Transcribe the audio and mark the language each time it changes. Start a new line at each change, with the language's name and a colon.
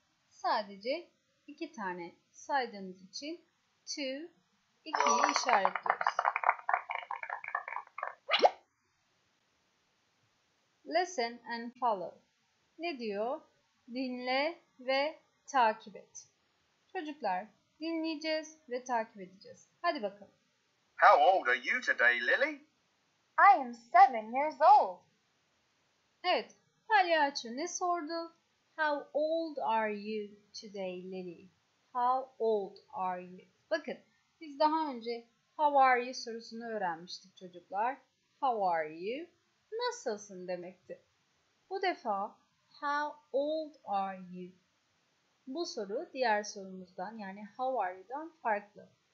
Turkish: Sadece iki tane saydığımız için two, ikiyi işaretliyoruz.
English: Listen and follow.
Turkish: Ne diyor? Dinle ve takip et. Çocuklar, dinleyeceğiz ve takip edeceğiz. Hadi bakalım.
English: How old are you today, Lily? I am 7 years old.
Turkish: Evet, palyaço ne sordu?
English: How old are you today, Lily? How old are you?
Turkish: Bakın, biz daha önce
English: how are you
Turkish: sorusunu öğrenmiştik çocuklar.
English: How are you?
Turkish: Nasılsın demekti. Bu defa
English: how old are you?
Turkish: Bu soru diğer sorumuzdan yani
English: how are you'dan
Turkish: farklı.